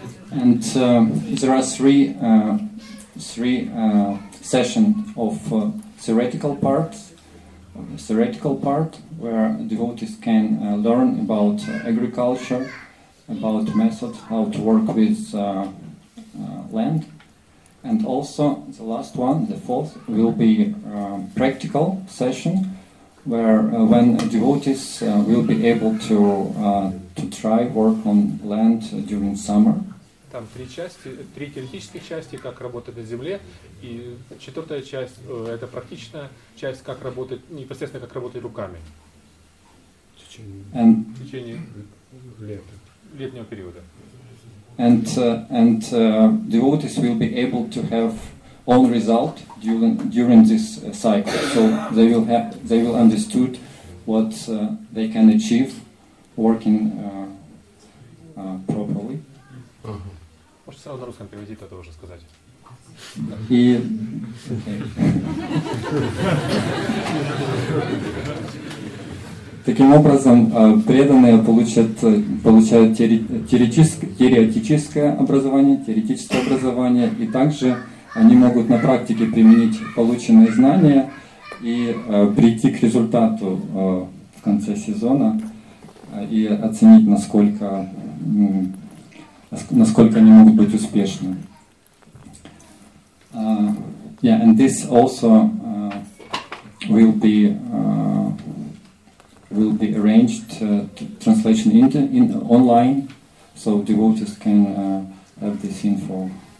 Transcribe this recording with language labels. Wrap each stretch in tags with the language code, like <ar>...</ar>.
<en>And there are three session of theoretical part, where devotees can learn about agriculture, about method, how to work with land. And also the last one, the fourth, will be practical session, where when devotees will be able to try work on land during summer.</en> <ru>Там три части, три теоретические части, как работать на земле, и четвертая часть это практичная часть, как работать непосредственно, как работать руками. В течение летнего периода.</ru> <en>And devotees will be able to have own result during this cycle. So they will understood what they can achieve working properly.</en> <ru>Можете сразу на русском переводить, это уже сказать. И Таким образом, преданные получают теоретическое образование, теоретическое образование, и также они могут на практике применить полученные знания и прийти к результату в конце сезона и оценить, насколько они могут быть успешны.</ru> <en>Yeah, and this also will be arranged translation in online, so devotees can have this info.</en>